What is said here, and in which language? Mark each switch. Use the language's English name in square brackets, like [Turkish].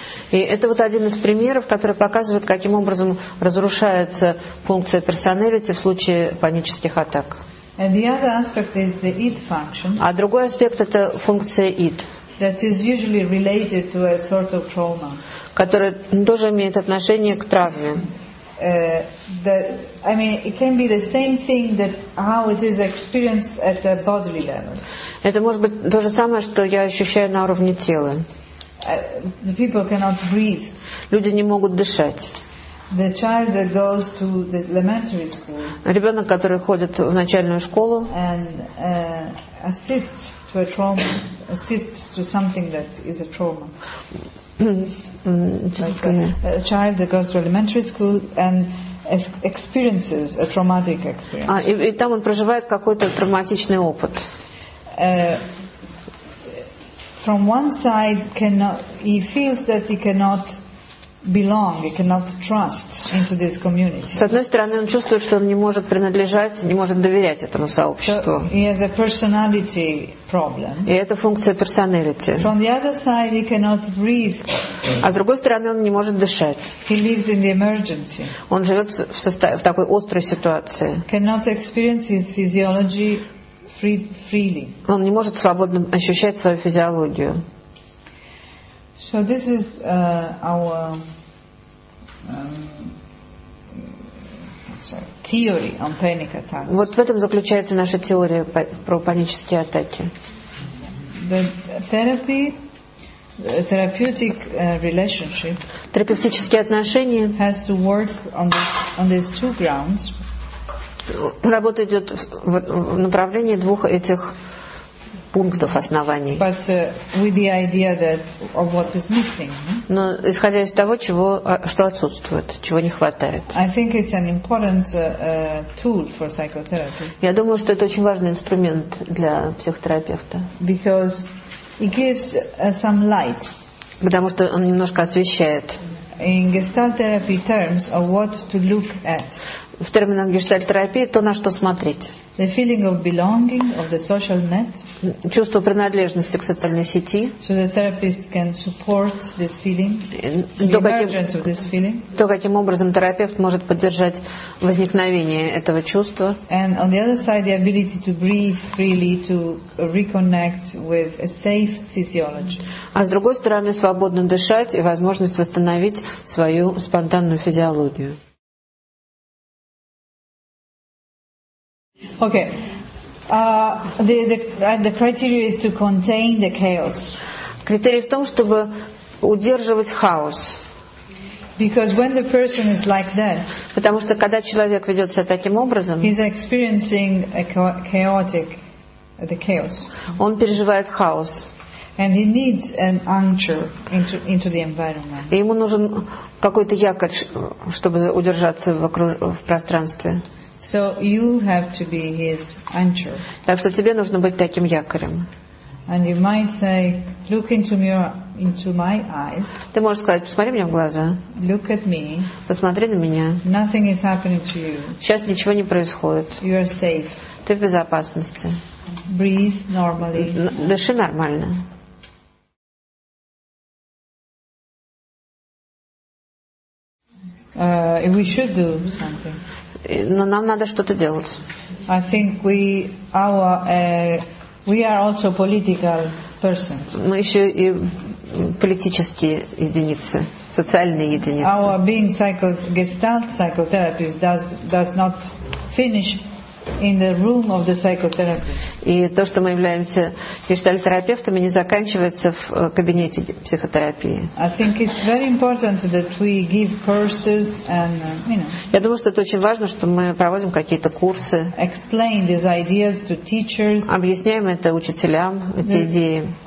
[Russian] И это вот один из примеров, который показывает, каким образом разрушается функция персоналити в случае панических атак. [English] And the other aspect is the id function. [Russian] А другой аспект это функция id. [English] That is usually related to a sort of trauma. [Russian] Которая тоже имеет отношение к травме. [English] I mean, it can be the same thing that how it is experienced at a bodily level. [Russian] Это может быть то же самое, что я ощущаю на уровне тела. [English] The people cannot breathe. [Russian] Люди не могут дышать. [English] The child that goes to the elementary school. [Russian] Ребенок, который ходит в начальную школу. [English] And assists to a trauma. Assists to something that is a trauma. Like a child that goes to elementary school and experiences a traumatic experience. [Russian] И там он проживает какой-то травматичный опыт. [English] From one side, he feels that he cannot belong, he cannot trust into this community. [Russian] С одной стороны, он чувствует, что он не может принадлежать, не может доверять этому сообществу. [English] So he has a personality problem. [Russian] И это функция personality. [English] From the other side, he cannot breathe. [Russian] А с другой стороны, он не может дышать. [English] He lives in the emergency. [Russian] Он живет в такой острой ситуации. [English] Cannot experience his physiology freely. [Russian] Он не может свободно ощущать свою физиологию. [English] So this is our theory on panic attacks. [Russian] Вот в этом заключается наша теория про панические атаки. [English] The therapy, therapeutic relationship. [Russian] Терапевтические отношения. [English] Has to work on these two grounds. [Russian] Работа идет в направлении двух этих пунктов оснований. [English] But with the idea that of what is missing. [Russian] Но исходя из того, чего, что отсутствует, чего не хватает. [English] I think it's an important tool for psychotherapists. [Russian] Я думаю, что это очень важный инструмент для психотерапевта. [English] Because it gives some light. [Russian] Потому что он немножко освещает. [English] In gestalt therapy terms, of what to look at. [Russian] В терминах гештальт-терапии то, на что смотреть. [English] The feeling of belonging, of the social net. [Russian] Чувство принадлежности к социальной сети. [English] So the therapist can support this feeling, the emergence of this feeling. [Russian] То, каким образом терапевт может поддержать возникновение этого чувства. [English] And on the other side, the ability to breathe freely, to reconnect with a safe physiology. [Russian] А с другой стороны, свободно дышать и возможность восстановить свою спонтанную физиологию. [English] Okay. The criteria is to contain the chaos. [Russian] Критерий в том, чтобы удерживать хаос. [English] Because when the person is like that, [Russian] потому что когда человек ведет себя таким образом, [English] he's experiencing a chaotic, the chaos. [Russian] Он переживает хаос. [English] And he needs an anchor into the environment. [Russian] И ему нужен какой-то якорь, чтобы удержаться в пространстве. [English] So you have to be his anchor. [Russian] Так что тебе нужно быть таким якорем. [English] And you might say, look into my eyes. [Russian] Ты можешь сказать, посмотри мне в глаза. [English] Look at me. [Russian] Посмотри на меня. [English] Nothing is happening to you. [Russian] Сейчас ничего не происходит. [English] You are safe. [Russian] Ты в безопасности. [English] Breathe normally. [Russian] Дыши нормально. [English] We should do something. [Russian] Но нам надо что-то делать. [English] I think we are also political persons. [Russian] Мы еще и политические единицы, социальные единицы. [English] Our being gestalt psychotherapist does not finish in the room of the psychotherapist. [Russian] И то, что мы являемся гештальт-терапевтами, не заканчивается в кабинете психотерапии. [English] I think it's very important that we give courses and, [Russian] Я думаю, что это очень важно, что мы проводим какие-то курсы. [English] Explain these ideas to teachers. [Russian] Объясняем это учителям, эти идеи.